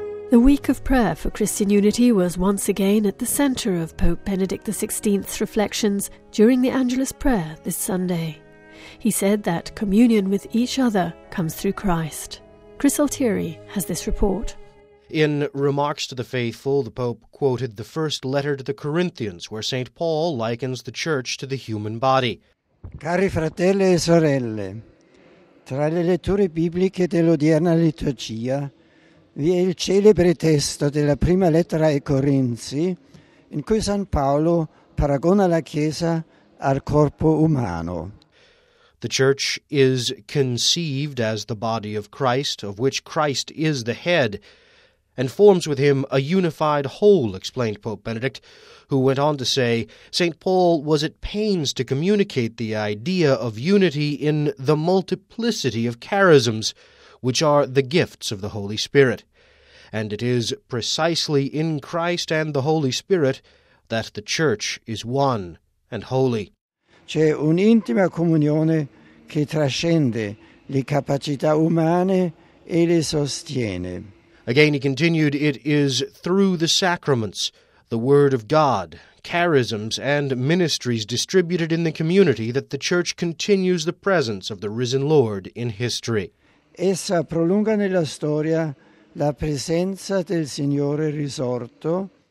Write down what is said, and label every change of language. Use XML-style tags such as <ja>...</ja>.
<en>The week of prayer for Christian unity was once again at the centre of Pope Benedict XVI's reflections during the Angelus prayer this Sunday. He said that communion with each other comes through Christ. Chris Altieri has this report. In Remarks to the Faithful, the Pope quoted the first letter to the Corinthians, where St. Paul likens the Church to the human body.</en> <it>Cari fratelli e sorelle, tra le letture bibliche dell'odierna liturgia, vi è il celebre testo della prima lettera ai Corinzi, in cui San Paolo paragona la Chiesa al corpo umano.</it> <en>The Church is conceived as the body of Christ, of which Christ is the head, and forms with him a unified whole, explained Pope Benedict, who went on to say, St. Paul was at pains to communicate the idea of unity in the multiplicity of charisms, which are the gifts of the Holy Spirit. And it is precisely in Christ and the Holy Spirit that the Church is one and holy.</en> <it>C'è un'intima comunione che trascende le capacità umane e le sostiene.</it> <en>Again, he continued, it is through the sacraments, the Word of God, charisms, and ministries distributed in the community that the Church continues the presence of the risen Lord in history.</en> <it>Essa prolunga nella storia la presenza del Signore risorto.</it>